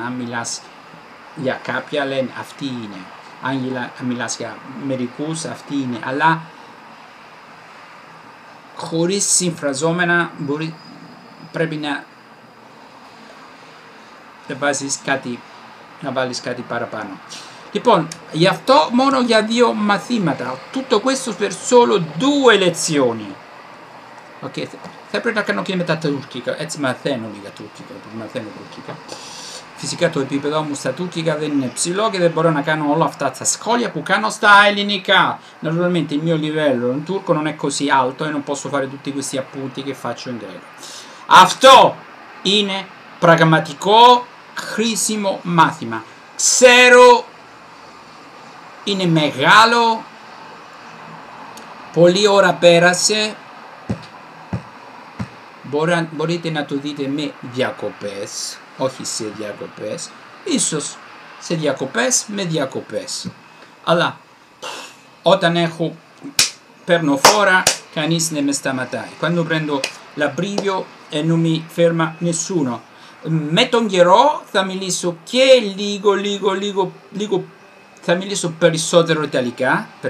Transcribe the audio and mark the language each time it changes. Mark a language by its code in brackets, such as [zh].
[el] Αν μιλάς για κάποια, λένε αυτή είναι. Αν μιλάς για μερικούς, αυτή είναι. Αλλά χωρίς συμφραζόμενα μπορεί, πρέπει να βάζεις κάτι, να βάλεις κάτι παραπάνω. Λοιπόν, γι' αυτό μόνο για δύο μαθήματα. Τούτο [it] questo per solo due lezioni. [el] Ok, θα πρέπει να κάνω και με τα τουρκικά. Έτσι μαθαίνω λίγα τουρκικά, επειδή μαθαίνω τουρκικά. Φυσικά το επίπεδο μου στα τουρκικά δεν είναι ψηλό και δεν μπορώ να κάνω όλα αυτά τα σχόλια που κάνω στα ελληνικά. [it] Normalmente il mio livello in turco non è così alto e non posso fare tutti questi appunti che faccio in greco. [el] Αυτό είναι πραγματικό χρήσιμο μάθημα. Ξέρω, είναι μεγάλο, πολλή ώρα πέρασε, μπορείτε να το δείτε με διακοπές, όχι σε διακοπές, ίσως σε διακοπές με διακοπές. Αλλά όταν έχω, παίρνω φόρα, κανείς δεν με σταματάει. [it] Quando prendo l'abbrivio e non mi ferma nessuno. [el] Με τον καιρό θα μιλήσω και λίγο, θα μιλήσω περισσότερο ιταλικά.